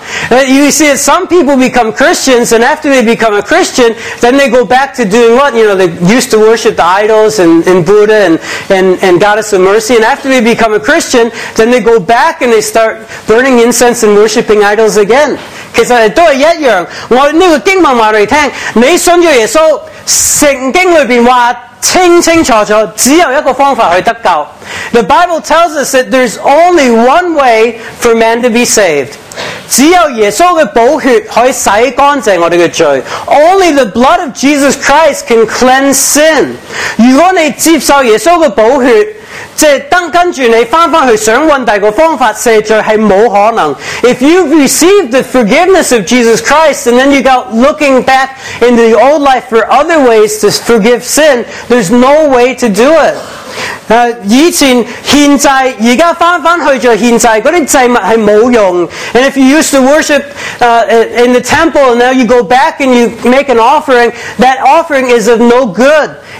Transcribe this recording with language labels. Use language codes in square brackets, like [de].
[en] You see that some people become Christians, and after they become a Christian, then they go back to doing what? You know, they used to worship the idols and Buddha and Goddess of Mercy, and after they become a Christian, then they go back and they start burning incense and worshiping idols again. [zh] 其实都是一样。我这个经文告诉你，你信了耶稣，圣经里面说, 清清楚楚，只有一个方法去得救。 [en] The Bible tells us that there's only one way for man to be saved. [zh] 只有耶稣的宝血可以洗干净我们的罪。 [en] Only the blood of Jesus Christ can cleanse sin. [zh] 如果你接受耶稣的宝血, 即是跟着你回去想找第二个方法赦罪是不可能。 [en] If you've received the forgiveness of Jesus Christ and then you go looking back into the old life for other ways to forgive sin, there's no way to do it. [zh] 以前献祭，现在回去就献祭，那些祭物是没用。 [en] And if you used to worship in the temple and now you go back and you make an offering, that offering is of no good.